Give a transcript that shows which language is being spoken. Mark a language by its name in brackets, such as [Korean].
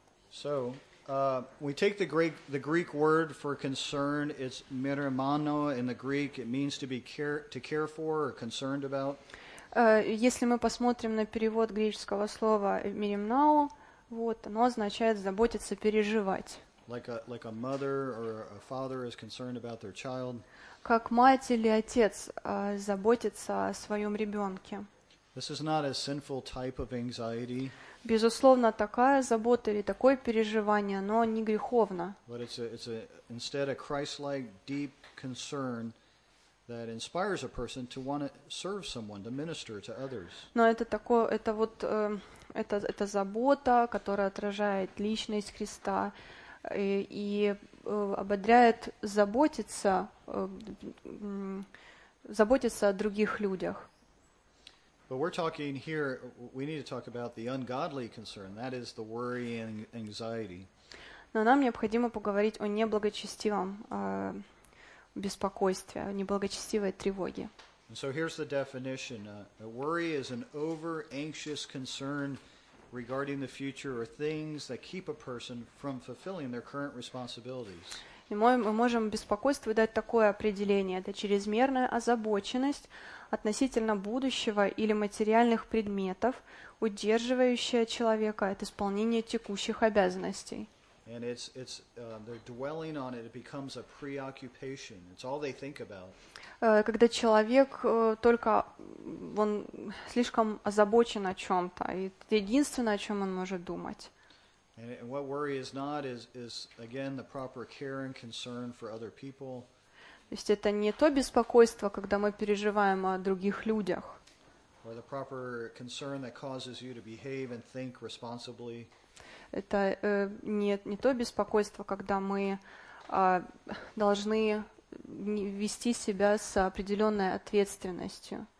[English] So, we take the Greek word for concern, it's meremano in the Greek, it means to be to care for or concerned about. [Russian] Если мы посмотрим на перевод греческого слова меремнао, вот, оно означает заботиться, переживать. [English] Like a mother or a father is concerned about their child. [Russian] Как мать или отец заботится о своем ребенке. [English] This is not a sinful type of anxiety. [Russian] Безусловно, такая забота или такое переживание, оно не греховно. [English] But it's instead a Christ-like deep concern that inspires a person to want to serve someone, to minister to others. [Russian] Но это такое, это вот это забота, которая отражает личность Христа и ободряет заботиться о других людях. [English] But we're talking here, we need to talk about the ungodly concern, that is the worry and anxiety. [Russian] Но нам необходимо поговорить о неблагочестивом беспокойстве, о неблагочестивой тревоге. [English] And so here's the definition. A worry is an over-anxious concern regarding the future or things that keep a person from fulfilling their current responsibilities. [Russian] И мы можем беспокойству дать такое определение. Это чрезмерная озабоченность относительно будущего или материальных предметов, удерживающая человека от исполнения текущих обязанностей. [English] And it's they're dwelling on it, it becomes a preoccupation. It's all they think about. [Russian] Когда человек только он слишком озабочен о чем-то, и это единственное, о чем он может думать. [English] And what worry is not is again the proper care and concern for other people. [Russian] То есть это не то беспокойство, когда мы переживаем о других людях. [English] Or the proper concern that causes you to behave and think responsibly. [Russian] Это не то беспокойство, когда мы должны вести себя с определенной ответственностью.